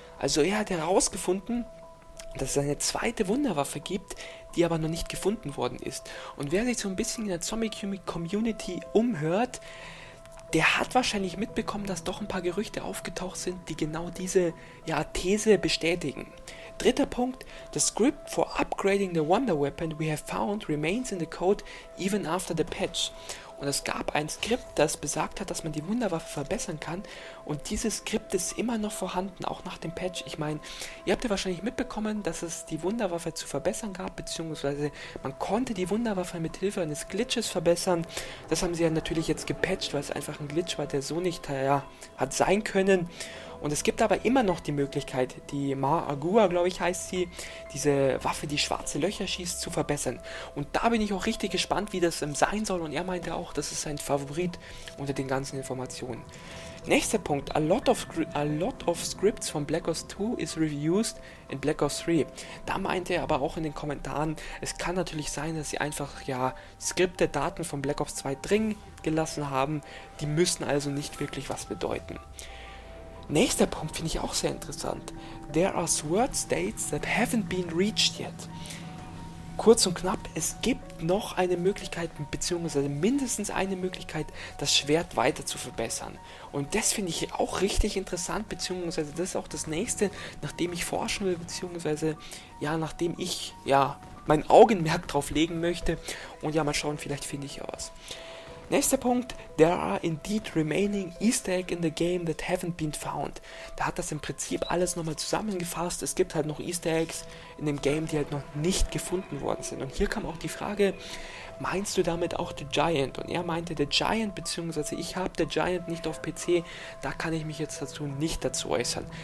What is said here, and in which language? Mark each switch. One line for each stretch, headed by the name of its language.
German: Also er hat herausgefunden, dass es eine zweite Wunderwaffe gibt, die aber noch nicht gefunden worden ist. Und wer sich so ein bisschen in der Zombie-Community umhört, der hat wahrscheinlich mitbekommen, dass doch ein paar Gerüchte aufgetaucht sind, die genau diese ja, These bestätigen. Dritter Punkt,
English: the script for upgrading the Wonder Weapon we have found remains in the code even after the patch.
German: Und es gab ein Skript, das besagt hat, dass man die Wunderwaffe verbessern kann. Und dieses Skript ist immer noch vorhanden, auch nach dem Patch. Ich meine, ihr habt ja wahrscheinlich mitbekommen, dass es die Wunderwaffe zu verbessern gab, beziehungsweise man konnte die Wunderwaffe mit Hilfe eines Glitches verbessern. Das haben sie ja natürlich jetzt gepatcht, weil es einfach ein Glitch war, der so nicht ja, hat sein können. Und es gibt aber immer noch die Möglichkeit, die Ma'agua, glaube ich, heißt sie, diese Waffe, die schwarze Löcher schießt, zu verbessern. Und da bin ich auch richtig gespannt, wie das sein soll. Und er meinte auch, das ist sein Favorit unter den ganzen Informationen. Nächster Punkt,
English: a lot of scripts from Black Ops 2 is reused in Black Ops 3.
German: Da meinte er aber auch in den Kommentaren, es kann natürlich sein, dass sie einfach, ja, Skripte, Daten von Black Ops 2 drin gelassen haben. Die müssen also nicht wirklich was bedeuten. Nächster Punkt finde ich auch sehr interessant.
English: There are sword states that haven't been reached yet.
German: Kurz und knapp, es gibt noch eine Möglichkeit, beziehungsweise mindestens eine Möglichkeit, das Schwert weiter zu verbessern. Und das finde ich auch richtig interessant, beziehungsweise das ist auch das Nächste, nachdem ich forschen will, beziehungsweise ja, nachdem ich ja mein Augenmerk drauf legen möchte. Und ja, mal schauen, vielleicht finde ich ja was. Nächster Punkt,
English: there are indeed remaining Easter Egg in the game that haven't been found.
German: Da hat das im Prinzip alles nochmal zusammengefasst. Es gibt halt noch Easter Eggs in dem Game, die halt noch nicht gefunden worden sind. Und hier kam auch die Frage, meinst du damit auch The Giant? Und er meinte The Giant, beziehungsweise ich habe The Giant nicht auf PC, da kann ich mich jetzt dazu nicht dazu äußern.